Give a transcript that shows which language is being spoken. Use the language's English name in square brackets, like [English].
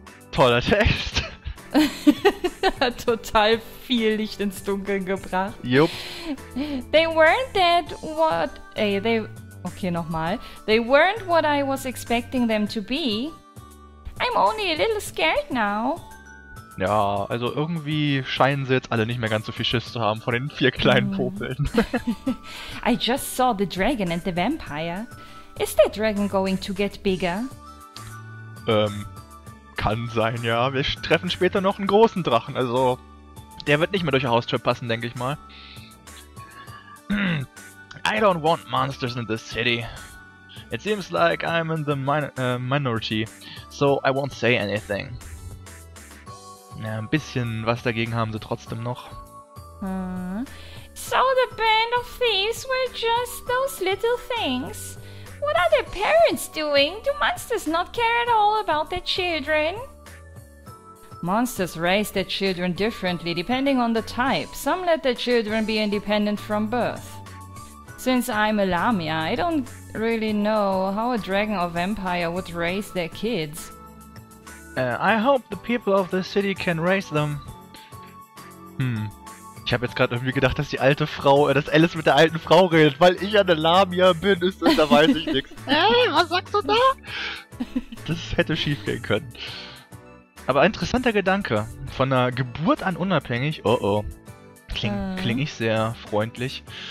[German] Toller Text. Hat total viel Licht ins Dunkeln gebracht. Jupp. [English] They weren't that what... Okay, [German] nochmal. [English] They weren't what I was expecting them to be. I'm only a little scared now. [German] Ja, also irgendwie scheinen sie jetzt alle nicht mehr ganz so viel Schiss zu haben von den vier kleinen Popeln. [English] I just saw the dragon and the vampire. Is that dragon going to get bigger? [German] Kann sein, ja. Wir treffen später noch einen großen Drachen, also der wird nicht mehr durch die Haustür passen, denke ich mal. [English] I don't want monsters in this city. It seems like I'm in the minority, so I won't say anything. Ja, ein bisschen was dagegen haben sie trotzdem noch. So the band of thieves were just those little things. What are their parents doing? Do monsters not care at all about their children? Monsters raise their children differently depending on the type. Some let their children be independent from birth. Since I'm a Lamia, I don't really know how a dragon or vampire would raise their kids. I hope the people of the city can raise them. [German] Ich habe jetzt gerade irgendwie gedacht, dass die alte Frau, dass Alice mit der alten Frau redet, weil ich eine Lamia bin, ist das, da weiß ich nichts. Hey, was sagst du da? Das hätte schief gehen können. Aber interessanter Gedanke. Von der Geburt an unabhängig, kling ich sehr freundlich.